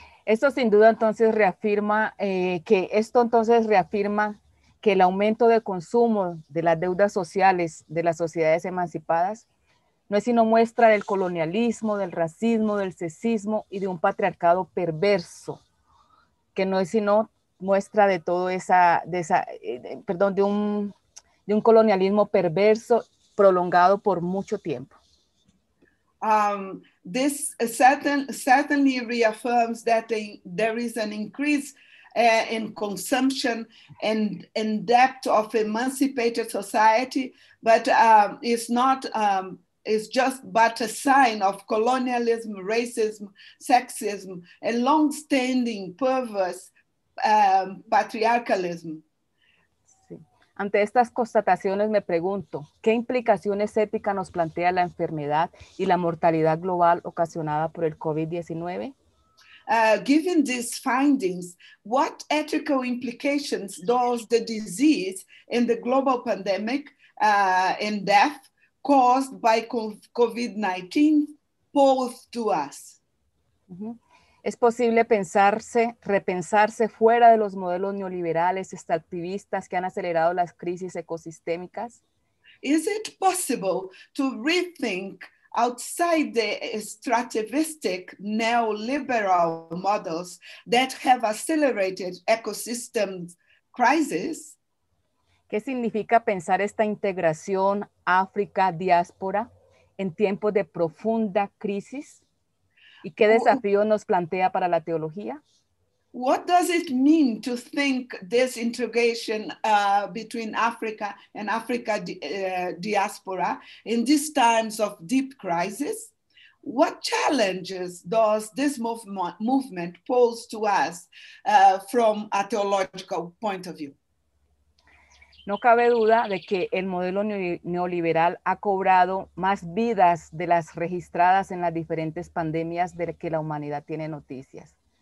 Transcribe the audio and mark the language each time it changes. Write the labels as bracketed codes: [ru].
[es] Esto sin duda entonces reafirma que el aumento de consumo de las deudas sociales de las sociedades emancipadas no es sino muestra del colonialismo, del racismo, del sexismo y de un patriarcado perverso, que no es sino muestra de todo de un colonialismo perverso prolongado por mucho tiempo. [en] This certainly reaffirms that there is an increase in consumption and in debt of emancipated society, but it's just a sign of colonialism, racism, sexism, a long-standing perverse patriarchalism. [es] Sí. Ante estas constataciones me pregunto, ¿qué implicaciones éticas nos plantea la enfermedad y la mortalidad global ocasionada por el COVID-19? [en] Given these findings, what ethical implications does the disease in the global pandemic and death caused by COVID-19 pose to us? Mm-hmm. [es] Es posible pensarse, repensarse fuera de los modelos neoliberales, extractivistas que han acelerado las crisis ecosistémicas? [en] Is it possible to rethink outside the extractivistic neoliberal models that have accelerated ecosystem crisis? [es] ¿Qué significa pensar esta integración África-diáspora en tiempos de profunda crisis? ¿Y qué desafío nos plantea para la teología? [en] What does it mean to think this integration between Africa and Africa diaspora in these times of deep crisis? What challenges does this movement pose to us from a theological point of view? [es] No cabe duda de que el modelo neoliberal ha cobrado más vidas de las registradas en las diferentes pandemias de que la humanidad tiene noticias.